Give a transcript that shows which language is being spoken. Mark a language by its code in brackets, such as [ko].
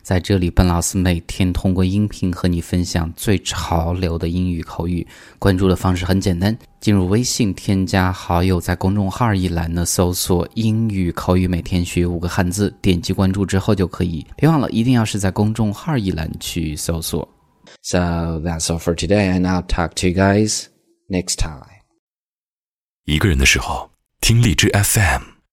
[zh] 在这里，笨老师每天通过音频和你分享最潮流的英语口语。关注的方式很简单，进入微信，添加好友，在公众号一栏呢搜索英语口语每天学五个汉字，点击关注之后就可以。别忘了，一定要是在公众号一栏去搜索。 [en] So that's all for today, and I'll talk to you guys. Next time. [zh] 一个人的时候，听荔枝 FM。